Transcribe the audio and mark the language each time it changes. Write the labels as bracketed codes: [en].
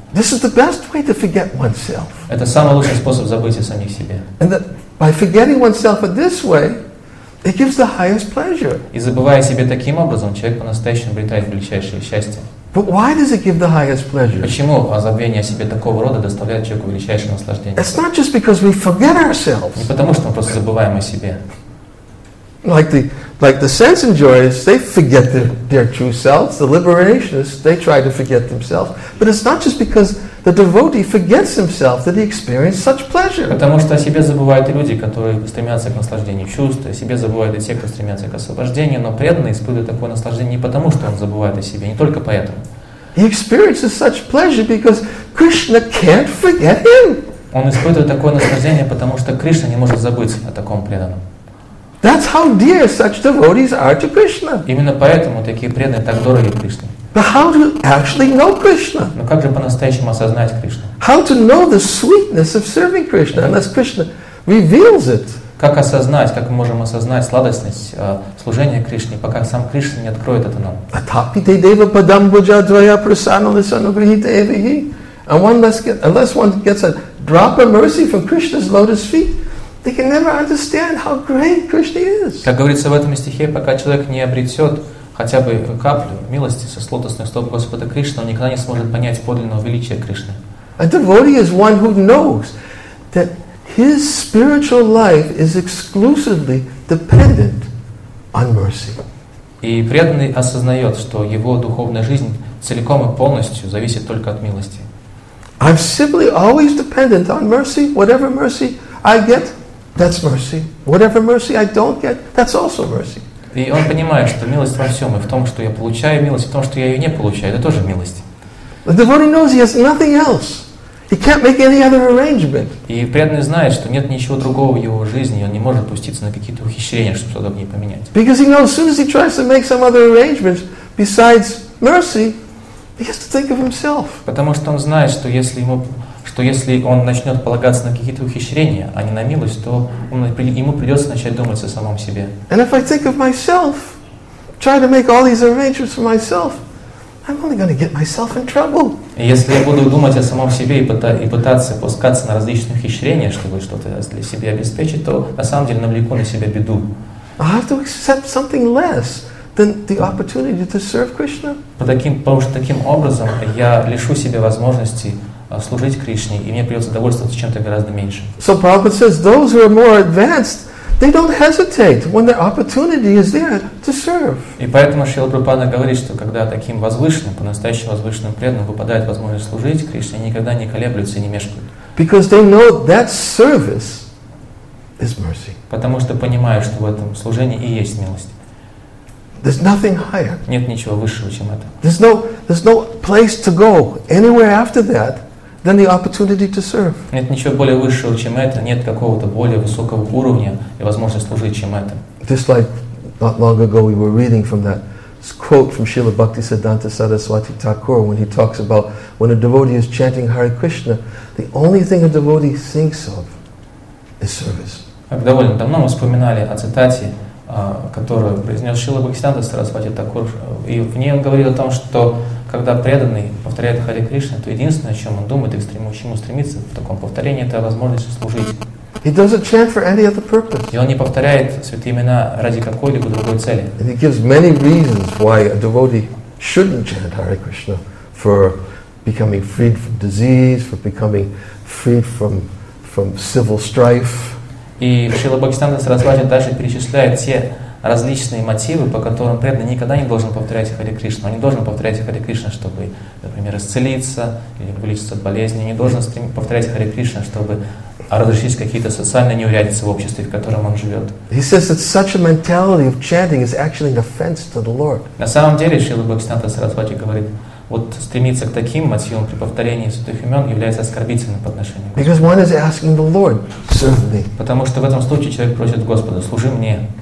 [en] This is the best way to forget oneself. [ru] Это самый лучший способ забыть о самих себе. [en] And that by forgetting oneself in this way, it gives the highest pleasure. [ru] И забывая себе таким образом, человек по-настоящему обретает величайшее счастье. [en] But why does it give the highest pleasure? [ru] Почему забвение о себе такого рода доставляет человеку величайшее наслаждение? [en] It's not just because we forget ourselves. [ru] Не потому, что мы просто забываем о себе. [en] Like the sense enjoyers, they forget their true selves. The liberationists, they try to forget themselves. But it's not just because the devotee forgets himself that he experiences such pleasure. [ru] Потому что о себе забывают люди, которые стремятся к наслаждению чувств, о себе забывают и те, кто стремятся к освобождению, но преданный испытывает такое наслаждение не потому, что он забывает о себе, не только поэтому. [en] He experiences such pleasure because Krishna can't forget him. [ru] Он испытывает такое наслаждение, потому что Кришна не может забыть о таком преданном. [en] That's how dear such devotees are to Krishna. [ru] Именно поэтому такие преданные так дороги Кришне. [en] But how to actually know Krishna? [ru] Но как же по-настоящему осознать Кришну? [en] How to know the sweetness of serving Krishna unless Krishna reveals it? [ru] Как осознать, как мы можем осознать сладостность служения Кришне, пока сам Кришна не откроет это нам? [sa] Atapite deva padam bhuja dvaya prasanala sanugrihita evihi. [en] And unless one gets a drop of mercy from Krishna's lotus feet, they can never understand how great Krishna is. [ru] Как говорится в этом стихе, пока человек не обретет хотя бы каплю милости со лотосных стоп Господа Кришны, он никогда не сможет понять подлинного величия Кришны. [en] A devotee is one who knows that his spiritual life is exclusively dependent on mercy. [ru] И преданный осознает, что его духовная жизнь целиком и полностью зависит только от милости. [en] I'm simply always dependent on mercy. Whatever mercy I get, that's mercy. Whatever mercy I don't get, that's also mercy. [ru] И он понимает, что милость во всем, и в том, что я получаю милость, и в том, что я ее не получаю, это тоже милость. [en] The devotee knows he has nothing else. He can't make any other arrangement. [ru] И преданный знает, что нет ничего другого в его жизни, и он не может пуститься на какие-то ухищрения, чтобы что-то в ней поменять. [en] Because he knows, as soon as he tries to make some other arrangement besides mercy, he has to think of himself. [ru] Потому что он знает, что если ему, что если он начнет полагаться на какие-то ухищрения, а не на милость, то он, ему придется начать думать о самом себе. [en] And if I think of myself, try to make all these arrangements for myself, I'm only going to get myself in trouble. [ru] Если я буду думать о самом себе и пытаться пускаться на различные ухищрения, чтобы что-то для себя обеспечить, то на самом деле навлеку на себя беду. [en] I have to accept something less than the opportunity to serve Krishna. [ru] Потому что таким образом я лишу себя возможности служить Кришне, и мне придется довольствоваться чем-то гораздо меньше. [en] So Prabhupada says, those who are more advanced, they don't hesitate when their opportunity is there to serve. [ru] И поэтому Шрила Прабхупада говорит, что когда таким возвышенным, по-настоящему возвышенным преданным выпадает возможность служить Кришне, никогда не колеблются и не мешкают. [en] Because they know that service is mercy. [ru] Потому что понимают, что в этом служении и есть милость. [en] There's nothing higher. [ru] Нет ничего высшего, чем это. [en] There's no place to go anywhere after that than the opportunity to serve. [ru] Нет ничего более высшего, чем это. Нет какого-то более высокого уровня и возможности служить, чем это. [en] This like not long ago we were reading from that quote from Srila Bhaktisiddhanta Saraswati Thakur when he talks about when a devotee is chanting Hare Krishna, the only thing a devotee thinks of is service. [ru] Как довольно давно мы вспоминали о цитате, которую произнес Шрила Бхактисиддханта Сарасвати Такур, и в ней он говорит о том, что когда преданный повторяет Харе Кришна, то единственное, о чем он думает и к чему стремится в таком повторении, это возможность служить. [en] He doesn't chant for any other purpose. [ru] И он не повторяет святые имена ради какой-либо другой цели. [en] And he gives many reasons why a devotee shouldn't chant Hare Krishna for becoming freed from disease, for becoming freed from civil strife. [ru] И Шрила Бхактисиддханта Сарасвати даже перечисляет те различные мотивы, по которым преданный никогда не должен повторять Харе Кришна. Он не должен повторять Харе Кришна, чтобы, например, исцелиться или вылечиться от болезни. Он не должен повторять Харе Кришна, чтобы разрешить какие-то социальные неурядицы в обществе, в котором он живет. [en] He says that such a mentality of chanting is actually an offense to the Lord. [ru] На самом деле Шрила Бхактисиддханта Сарасвати говорит, вот стремиться к таким мотивам при повторении святых имен является оскорбительным по отношению к [en] Because one is asking the Lord, serve me. [ru] Потому что в этом случае человек просит Господа, служи мне.